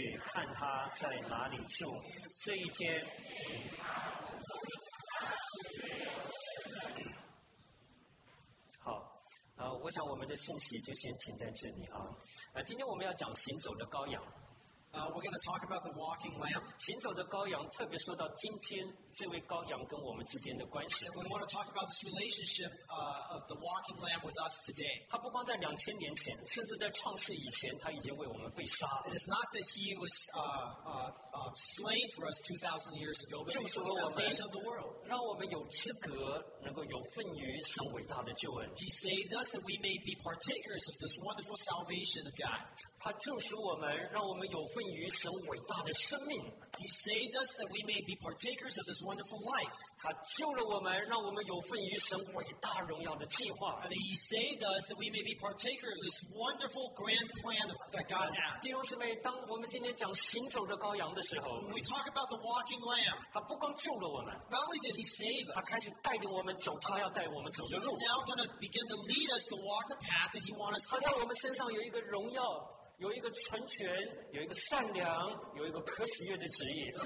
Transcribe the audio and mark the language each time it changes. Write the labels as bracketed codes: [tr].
[zh] 两个门徒听见他的话，就跟从了耶稣。耶稣转身过来，看他们跟着，就问他们说：“你们要什么？”他们说：“拉比在哪里住？”耶稣说：“你们来看。”他们就去看他在哪里住。这一天。我想我们的信息就先停在这里啊。今天我们要讲行走的羔羊。 [en] We're going to talk about the walking lamb. [zh] 行走的羔羊，特别说到今天这位羔羊跟我们之间的关系。 [en] We want to talk about this relationship of the walking lamb with us today. [zh] 他不光在2000年前，甚至在创世以前，他已经为我们被杀了。 [en] It is not that he was slain for us 2,000 years ago, but he was the foundation of the world. [zh] 让我们有资格能够有份于神伟大的救恩。 [en] He saved us that we may be partakers of this wonderful salvation of God. [zh] 他救赎我们，让我们有份于神伟大的生命。 [en] He saved us that we may be partakers of this wonderful life. [zh] 他救了我们，让我们有份于神伟大荣耀的计划。 [en] And He saved us that we may be partakers of this wonderful grand plan that God has. [zh] 弟兄姊妹，当我们今天讲行走的羔羊的时候， [en] When we talk about the walking lamb, [zh] 他不光救了我们， [en] Not only did He save us, [zh] 他开始带领我们走他要带我们走的路。 [en] He's now going to begin to lead us to walk the path that He wants us to walk. [zh] 他在我们身上有一个荣耀， 有一个纯全，有一个善良，有一个可喜悦的旨意。 [en] It's